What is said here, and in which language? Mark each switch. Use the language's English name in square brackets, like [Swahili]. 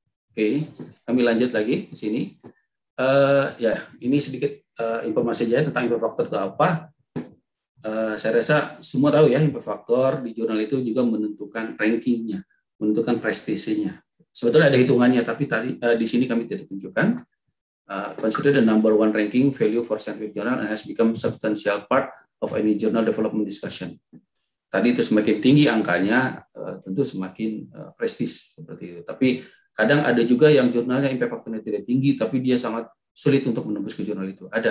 [Indonesian] Oke, kami lanjut lagi ke sini. Ya, ini sedikit informasi aja tentang impact factor itu apa. Saya rasa semua tahu ya, impact factor di jurnal itu juga menentukan rankingnya, menentukan prestisinya. Sebetulnya ada hitungannya, tapi tadi di sini kami tidak tunjukkan. [English] Consider the number one ranking value for scientific journal and has become substantial part of any journal development discussion. [Indonesian] Tadi itu semakin tinggi angkanya, tentu semakin prestis seperti itu. Tapi kadang ada juga yang jurnalnya impact factor-nya tidak tinggi, tapi dia sangat sulit untuk menembus ke jurnal itu.